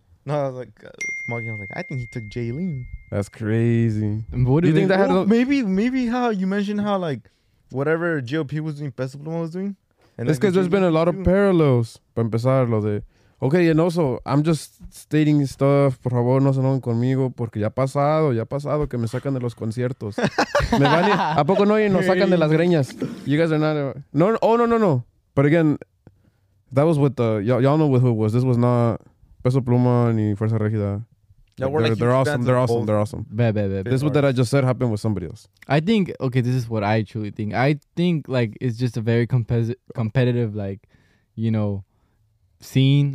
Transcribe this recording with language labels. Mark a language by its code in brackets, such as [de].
[en] No, I was like, smoking. I was like, I think he took Jaylene. That's crazy. What do you think that had? Maybe how you mentioned how like whatever JOP was doing, Peso Pluma was doing. And it's because there's been a lot of parallels. [es] Para empezar, lo de, [en] okay, and also I'm just stating stuff. [es] Por favor, no se enojen conmigo porque ya pasado que me sacan de los conciertos. Me van y, a poco no y nos sacan de las greñas. [en] You guys are not. No. But again, that was with the y'all know with who it was. This was not Peso Pluma ni Fuerza Regida. They're awesome. Bad. This is what that I just said happened with somebody else. I think, okay, this is what I truly think. I think, like, it's just a very competitive, like, you know, scene.